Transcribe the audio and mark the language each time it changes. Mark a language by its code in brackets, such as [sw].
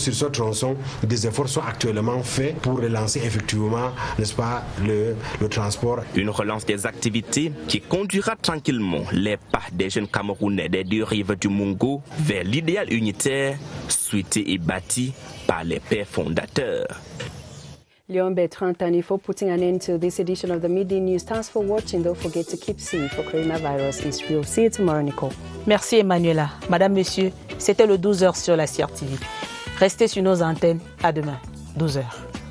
[fr] Sur ce tronçon, des efforts sont actuellement faits pour relancer effectivement, n'est-ce pas, le transport. Une relance des activités qui conduira tranquillement les pas des jeunes Camerounais des deux rives du Mungo vers l'idéal unitaire souhaité et bâti par les pères fondateurs. [en] Léon Bertrand Tanefo putting an end to this edition of the Midday News. Thanks for watching. Don't forget to keep safe, for coronavirus is real. See you tomorrow, Nicole. [fr] Merci, Emmanuela. Madame, Monsieur, c'était le 12h sur la CRTV. Restez sur nos antennes. À demain, 12h.